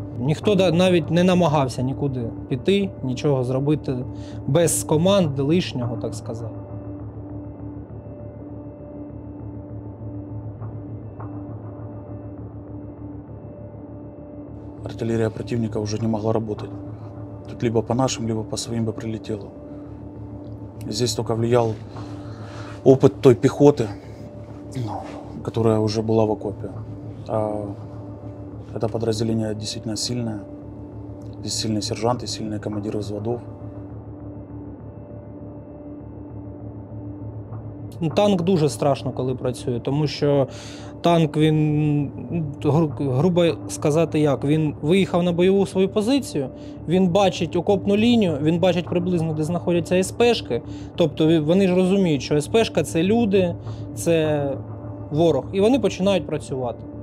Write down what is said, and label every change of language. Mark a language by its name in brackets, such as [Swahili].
[Ukrainian] Ніхто навіть не намагався нікуди піти, нічого зробити без команд лишнього, так сказати. Артилерія противника вже не могла працювати. [Russian] Тут либо по нашим, либо по своим бы прилетело. Здесь только влиял опыт той пехоты, которая уже была в окопе. А это подразделение действительно сильное. Здесь сильные сержанты, сильные командиры взводов. [Ukrainian] Танк дуже страшно, коли працює, тому що танк, він, грубо сказати як, він виїхав на бойову свою позицію, він бачить окопну лінію, він бачить приблизно, де знаходяться СПшки, тобто вони ж розуміють, що СПшка – це люди, це ворог, і вони починають працювати.